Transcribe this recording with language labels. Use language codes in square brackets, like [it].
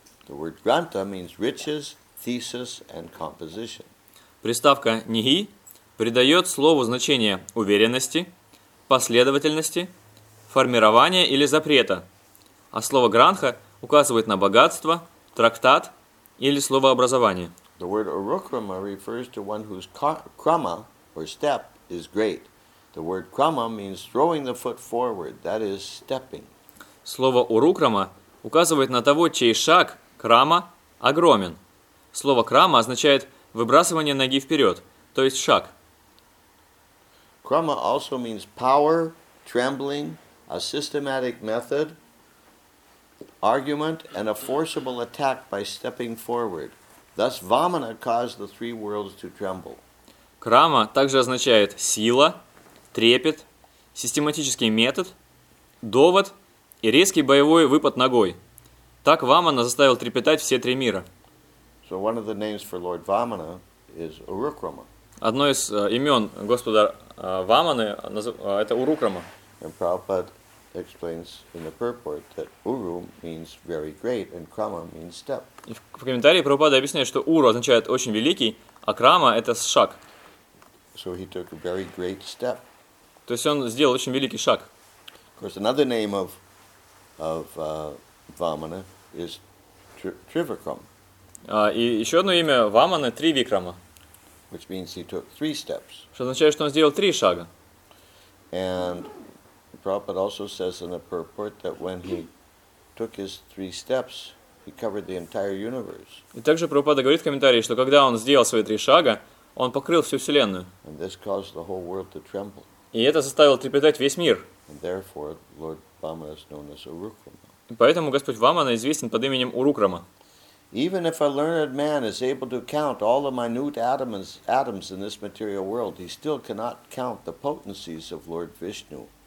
[en] The word granta means riches, thesis, and composition. [ru] Приставка ni придает слову значение уверенности, последовательности, формирования или запрета. А слово «гранха» указывает на богатство, трактат или слово «образование». [en] The word «arukrama» refers to one whose krama, or step, is great. The word «krama» means throwing the foot forward, that is, stepping. [ru] Слово «урукрама» указывает на того, чей шаг, крама, огромен. Слово «крама» означает «выбрасывание ноги вперед», то есть шаг. [en] «Крама» also means power, trembling, a systematic method, argument and a forcible attack by stepping forward. Thus, Vamana caused the three worlds to tremble. [ru] Крама также означает сила, трепет, систематический метод, довод и резкий боевой выпад ногой. Так Вамана заставил трепетать все три мира. [en] So one of the names for Lord Vamana is Urukrama. [ru] Одно из имен Господа Ваманы это Урукрама. [en] And Prabhupada explains in the purport that Uru means very great and Krama means step. [ru] В комментарии Прабхупада объясняет, что Уру означает очень великий, а Крама это шаг. [en] So he took a very great step. [ru] То есть он сделал очень великий шаг. [en] Of course, another name of of Vamana is Trivikram. [ru] И еще одно имя Вамана – Тривикрама. [en] Which means he took three steps. [ru] Что означает, что он сделал три шага. [en] And Prabhupada also says in the purport that when he took his three steps, he covered the entire universe. [ru] И также Прабхупада говорит в комментарии, что когда он сделал свои три шага, он покрыл всю вселенную. [en] And this caused the whole world to tremble. [ru] И это заставило трепетать весь мир. [en] And therefore, Lord Vamana is known as Urukrama. [ru] И поэтому Господь Вамана известен под именем Урукрама. [en] Even if a learned man is able to count all the minute atoms in this material world, he still cannot count the potencies of Lord Vishnu.